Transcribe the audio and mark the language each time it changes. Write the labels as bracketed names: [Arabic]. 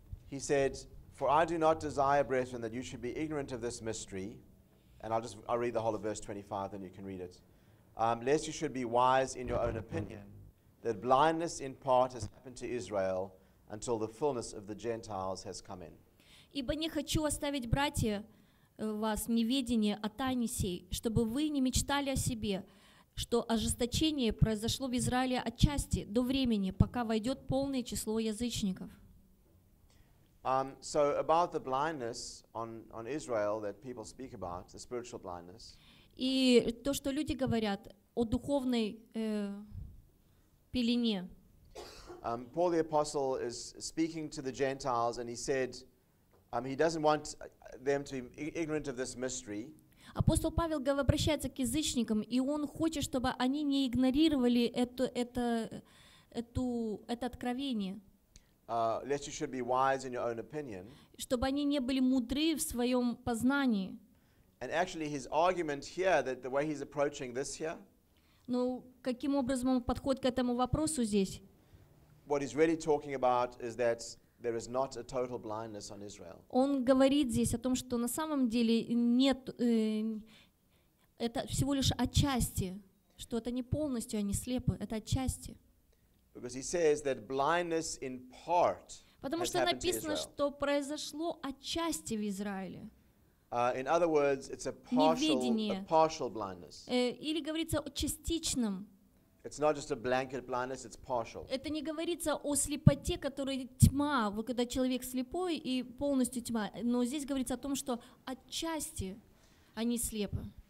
[English] He said, "For I do not desire, brethren, that you should be ignorant of this mystery." And I'll read the whole of verse 25, then you can read it. "Lest you should be wise in your own opinion, that blindness in part has happened to Israel until the fullness of the Gentiles has come in." [Russian] Ибо не хочу оставить братья вас неведение о тайне сей, чтобы вы не мечтали о себе. Что ожесточение произошло в Израиле отчасти до времени, пока войдет полное число язычников. [English] So about the blindness on Israel that people speak about, the spiritual blindness. [Russian] И то, что люди говорят о духовной пелене. [English] Paul the apostle is speaking to the Gentiles, and he said, he doesn't want them to be ignorant of this mystery. [Russian] Апостол Павел обращается к язычникам, и он хочет, чтобы они не игнорировали это откровение. [English] lest you should be wise in your own opinion. [Russian] Чтобы они не были мудры в своем познании. [English] And actually, his argument here, that the way he's approaching this here. [Russian] Ну, каким образом он подходит к этому вопросу здесь? [English] What he's really talking about is that there is not a total blindness on Israel. [Russian] Он говорит здесь о том, что на самом деле нет, это всего лишь отчасти, что это не полностью они слепы, это отчасти. [English] Because he says that blindness in part. [Russian] Потому что написано, что произошло отчасти в Израиле. [English] In other words, it's a partial, blindness. [Russian] Или говорится о частичном. [English] It's not just a blanket blindness, it's partial. [Russian] Это не говорится о слепоте, которая тьма, когда человек слепой и полностью тьма. Но здесь говорится о том, что отчасти они слепы.